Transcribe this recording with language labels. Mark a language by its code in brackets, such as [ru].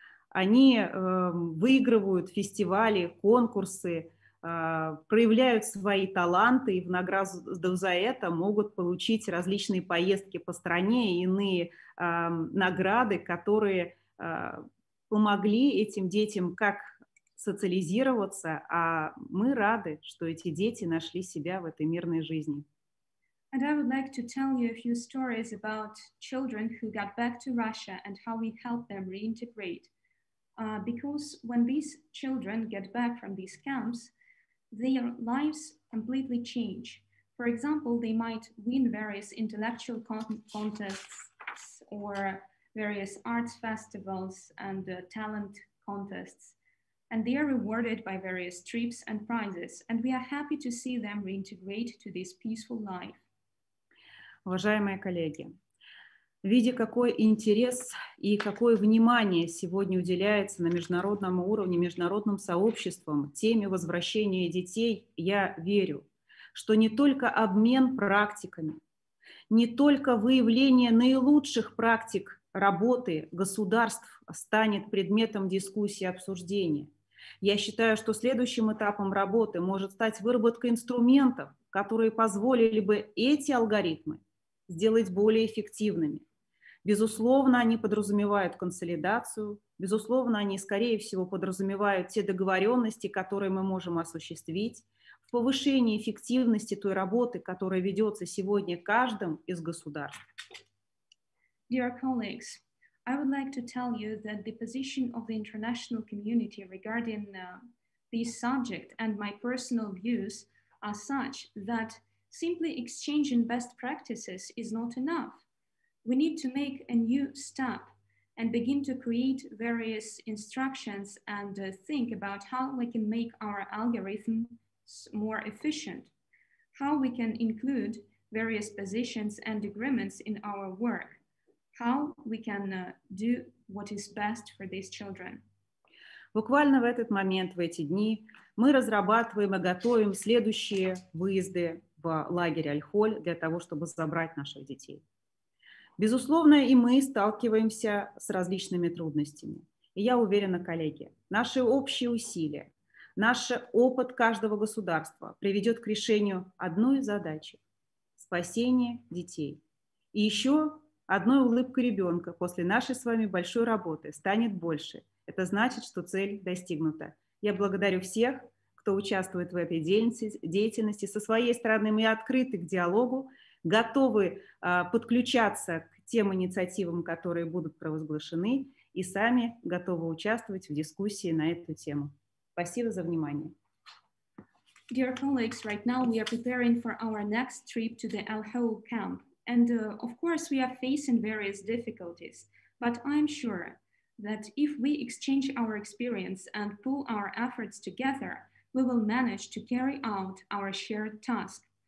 [ru] Они выигрывают фестивали, конкурсы, проявляют свои таланты и в награду за это могут получить различные поездки по стране и иные награды, которые помогли этим детям как социализироваться, а мы рады, что эти дети нашли себя в этой мирной жизни. [en] And I would like to tell you a few stories about children who got back to Russia and how we help them reintegrate. Because when these children get back from these camps, their lives completely change. For example, they might win various intellectual contests or various arts festivals and talent contests. And they are rewarded by various trips and prizes. And we are happy to see them reintegrate to this peaceful life. [ru] Уважаемые коллеги, видя, какой интерес и какое внимание сегодня уделяется на международном уровне, международным сообществом теме возвращения детей, я верю, что не только обмен практиками, не только выявление наилучших практик работы государств станет предметом дискуссии и обсуждения. Я считаю, что следующим этапом работы может стать выработка инструментов, которые позволили бы эти алгоритмы сделать более эффективными. Безусловно, они подразумевают консолидацию, безусловно, они, скорее всего, подразумевают те договоренности, которые мы можем осуществить, в повышении эффективности той работы, которая ведется сегодня каждым из государств. [en] Dear colleagues, I would like to tell you that the position of the international community regarding this subject and my personal views are such that simply exchanging best practices is not enough. We need to make a new step and begin to create various instructions and think about how we can make our algorithms more efficient, how we can include various positions and agreements in our work, how we can do what is best for these children. [ru] Буквально в этот момент, в эти дни, мы разрабатываем и готовим следующие выезды в лагерь Аль-Холь для того, чтобы забрать наших детей. Безусловно, и мы сталкиваемся с различными трудностями. И я уверена, коллеги, наши общие усилия, наш опыт каждого государства приведет к решению одной задачи – спасение детей. И еще одной улыбкой ребенка после нашей с вами большой работы станет больше. Это значит, что цель достигнута. Я благодарю всех, кто участвует в этой деятельности. Со своей стороны мы открыты к диалогу, готовы подключаться к тем инициативам, которые будут провозглашены, и сами готовы участвовать в дискуссии на эту тему. Спасибо за внимание. [en] Dear colleagues, right now we are preparing for our next trip to the Al-Hol camp. And of course we are facing various difficulties, but I'm sure that if we exchange our experience and pull our efforts together, we will manage to carry out our shared task.